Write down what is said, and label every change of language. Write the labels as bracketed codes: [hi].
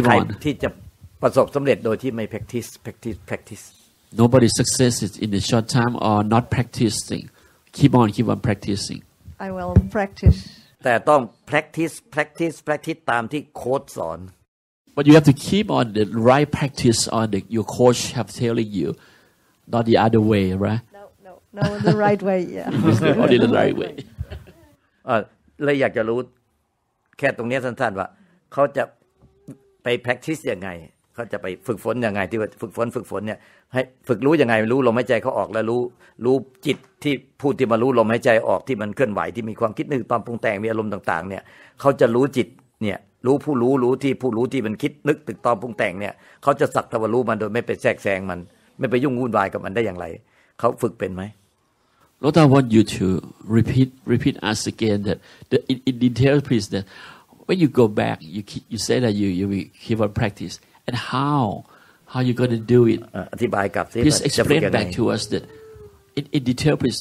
[th] ใครที่จะประสบสำเร็จโดยที่ไม่ practice [en] nobody successes in the short time or not practicing keep on practicing I will practice [th] แต่ต้อง practice ตามที่โค้ชสอน [en] but you have to keep on the right practice on the your coach have telling you not the other way right no, the right way yeah only the right way [th] เลยอยากจะรู้แค่ตรงนี้สั้นๆว่าเขาจะไป practice ยังไงก็จะไปฝึกฝนยังไงที่ว่าฝึกฝนเนี่ยให้ฝึกรู้ยังไงรู้ลมหายใจเขาออกแล้วรู้จิตที่พูดที่มารู้ลมหายใจออกที่มันเคลื่อนไหวที่มีความคิดนึกความปรุงแต่งมีอารมณ์ต่างๆเนี่ยเขาจะรู้จิตเนี่ยรู้ผู้รู้รู้ที่ผู้รู้ที่มันคิดนึกถึงตอนปรุงแต่งเนี่ยเขาจะสักแต่ว่ารู้มันโดยไม่ไปแทรกแซงมันไม่ไปยุ่งวุ่นวายกับมันได้อย่างไรเขาฝึกเป็นไหม [en] Lord, I want you to repeat us again that in detail please that when you go back you say that you keep on practiceAnd how you going to do it? Please explain back to us that in detail, please.